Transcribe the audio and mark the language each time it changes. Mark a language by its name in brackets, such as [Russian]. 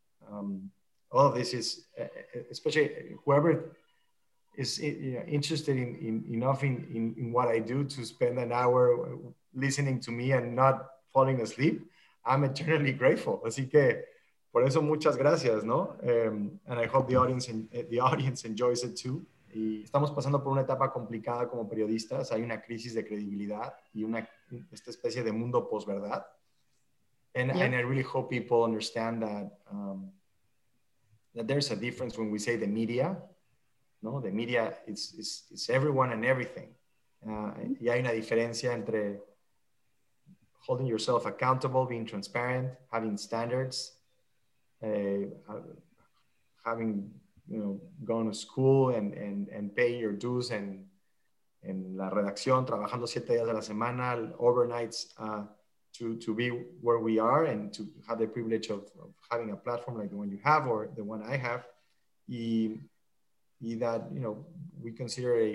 [English] All of this is, especially whoever is interested enough in what I do to spend an hour listening to me and not falling asleep, I'm eternally grateful. [Spanish] Así que, por eso muchas gracias, ¿no? [English] And I hope the audience enjoys it too. [Spanish] Y estamos pasando por una etapa complicada como periodistas. Hay una crisis de credibilidad y una esta especie de mundo posverdad. [English] And I really hope people understand that that there's a difference when we say the media, ¿no? The media is everyone and everything. [Spanish] Y hay una diferencia entre [English] holding yourself accountable, being transparent, having standards, having gone to school and paying your dues and [Spanish] en la redacción, trabajando 7 días de la semana, [English] overnights, to be where we are and to have the privilege of having a platform like the one you have or the one I have, y that we consider